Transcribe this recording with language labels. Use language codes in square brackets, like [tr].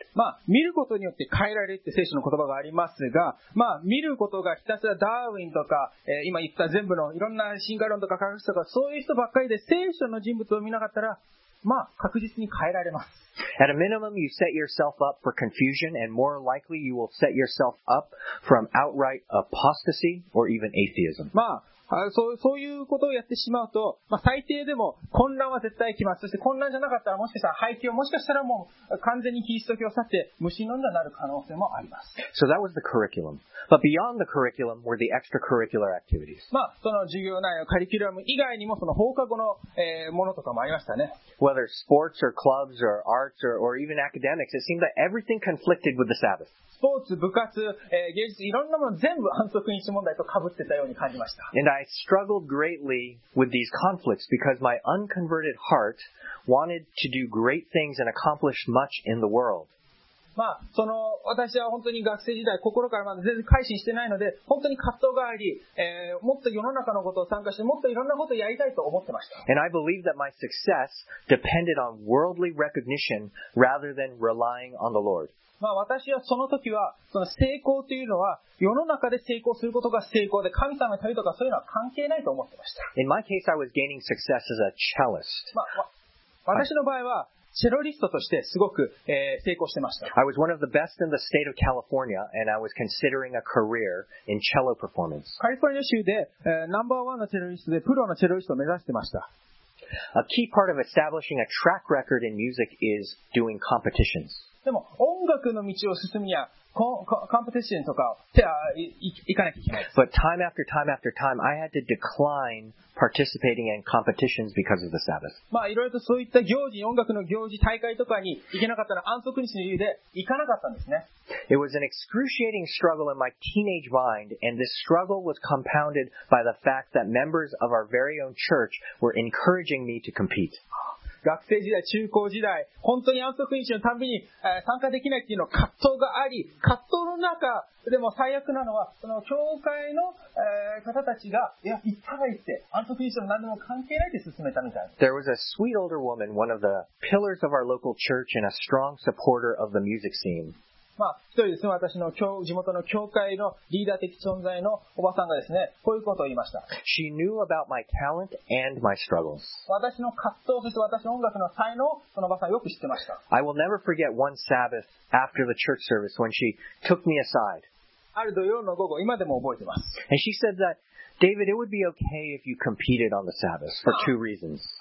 [ja] まあ、見ることによって変えられるって聖書の言葉がありますが、まあ、見ることがひたすらダーウィンとか、今言った全部のいろんな進化論とか科学とか、そういう人ばっかりで聖書の人物を見なかったら、まあ、確実に変えられます。 [en] At a minimum, you set yourself up for confusion, and more likely, you will set yourself up from outright apostasy or even atheism. [ja] まあ、そういうことをやってしまうと、まあ、最低でも混乱は絶対来ます。そして混乱じゃなかったらもしかしたら廃棄をもしかしたらもう完全にキリスト教を去って無神論者になる可能性もあります。 [en] So that was the curriculum. But beyond the curriculum were the extracurricular activities. [ja] まあ、その授業内容、カリキュラム以外にもその放課後の、ものとかもありましたね。 [en] Whether sports or clubs or arts or even academics, it seemed that everything conflicted with the Sabbath. [ja] スポーツ、部活、芸術、いろんなもの全部安息日問題と被ってたように感じました。 [en] I struggled greatly with these conflicts because my unconverted heart wanted to do great things and accomplish much in the world. [ja] まあ、その私は本当に学生時代心からまだ全然改心してないので本当に葛藤があり、もっと世の中のことを参加してもっといろんなことをやりたいと思ってました。 [en] And I believe that my success depended on worldly recognition rather than relying on the Lord. [ja] まあ、私はその時はその成功というのは世の中で成功することが成功で神様のためとかそういうのは関係ないと思ってました。 [en] In my case, I was gaining success as a cellist. [ja] まあ、私の場合はチェロリストとしてすごく、成功してました。 [en] I was one of the best in the state of California and I was considering a career in cello performance. [ja] カリフォルニア州で、ナンバーワンのチェロリストでプロのチェロリストを目指してました。 [en] A key part of establishing a track record in music is doing competitions. [ja] でも音楽の道を進むには、コンペティションとか、じゃあ、行かなきゃいけない。 [en] But time after time after time, I had to decline participating in competitions because of the Sabbath. [ja] まあ、いろいろとそういった行事、音楽の行事、大会とかに行けなかったのは安息日の理由で行かなかったんですね。 [en] It was an excruciating struggle in my teenage mind, and this struggle was compounded by the fact that members of our very own church were encouraging me to compete. [ja] 学生時代、中高時代、本当に安息日のたびに、参加できないっていうの葛藤があり、葛藤の中でも最悪なのは、その教会の、方たちが、いや、行ったら行って、安息日の何でも関係ないで進めたみたいな。 [en] There was a sweet older woman, one of the pillars of our local church and a strong supporter of the music scene. [ja] まあ、一人ですね、私の地元の教会のリーダー的存在のおばさんがですね、こういうことを言いました。 [en] She knew about my talent and my struggles. [ja] 私の葛藤、そして私の音楽の才能、そのおばさんよく知ってました。 [en] I will never forget one Sabbath after the church service when she took me aside. [ja] ある土曜の午後、今でも覚えてます。 [en] And she said that, David, it would be okay if you competed on the Sabbath for two reasons.